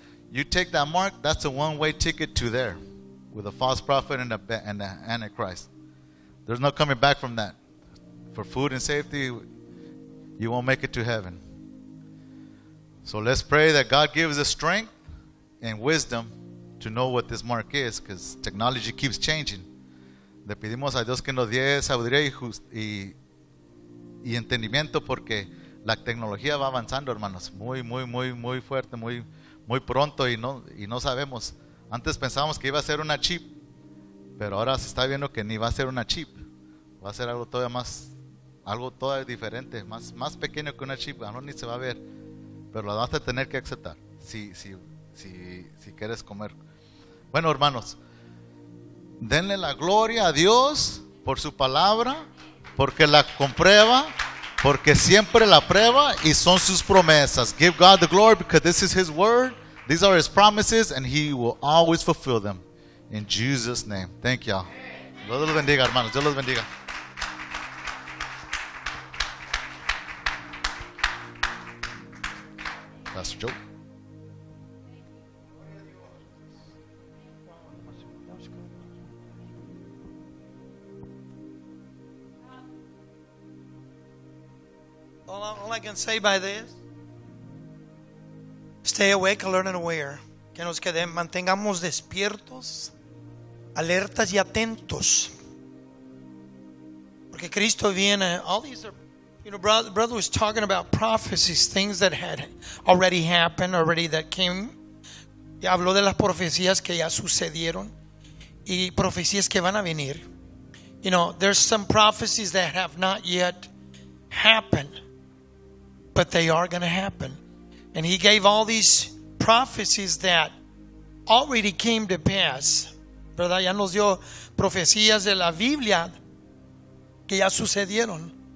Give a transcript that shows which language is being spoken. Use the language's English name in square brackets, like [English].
[English] You take that mark, that's a one-way ticket to there. With a false prophet and the Antichrist. There's no coming back from that. For food and safety, you won't make it to heaven. So let's pray that God gives us strength and wisdom to know what this mark is, because technology keeps changing. [Spanish] Le pedimos a Dios que nos dé sabiduría y entendimiento, porque la tecnología va avanzando, hermanos, muy, muy, muy, muy fuerte, muy, muy pronto, y no sabemos. Antes pensábamos que iba a ser una chip, pero ahora se está viendo que ni va a ser una chip. Va a ser algo todavía más, algo todavía diferente, más pequeño que una chip, aún ni se va a ver. Pero la vas a tener que aceptar si quieres comer. Bueno, hermanos, denle la gloria a Dios por su palabra, porque la comprueba, porque siempre la prueba, y son sus promesas. [English] Give God the glory, because this is His word. These are His promises, and He will always fulfill them. In Jesus' name. Thank you all. [Spanish] Dios los bendiga, hermanos. Dios los bendiga. [English] Pastor Joe. All I can say by this, stay awake, alert, and aware. [Spanish] Que nos quedemos, mantengamos despiertos, alertas y atentos. Porque Cristo viene. [English] All these are, you know, brother was talking about prophecies, things that had already happened, already that came. [Spanish] Y habló de las profecías que ya sucedieron y profecías que van a venir. [English] You know, there's some prophecies that have not yet happened, but they are going to happen. And he gave all these prophecies that already came to pass. [Spanish] ¿Verdad? Ya nos dio profecías de la Biblia que ya sucedieron.